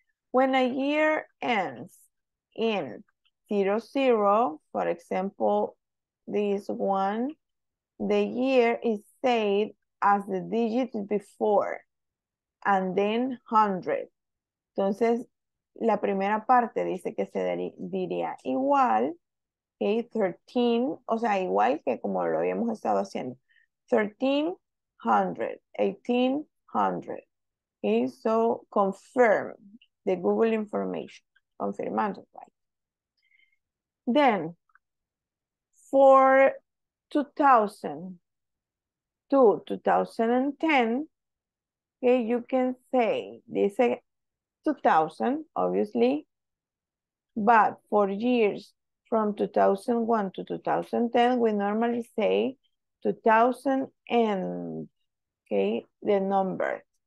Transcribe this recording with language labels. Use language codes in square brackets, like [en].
[en] When a year ends in 00, for example, this one, the year is said as the digit before, and then 100. [es] Entonces, la primera parte dice que se diría igual, okay, 13, o sea, igual que como lo habíamos estado haciendo, 1300, 1800, okay, [en] so confirm. The Google information, [es] confirmando, [en] right? Then, for 2000 to 2010, okay, you can say, [es] dice [en] 2000, obviously, but for years from 2001 to 2010, we normally say 2000 and, okay, the number.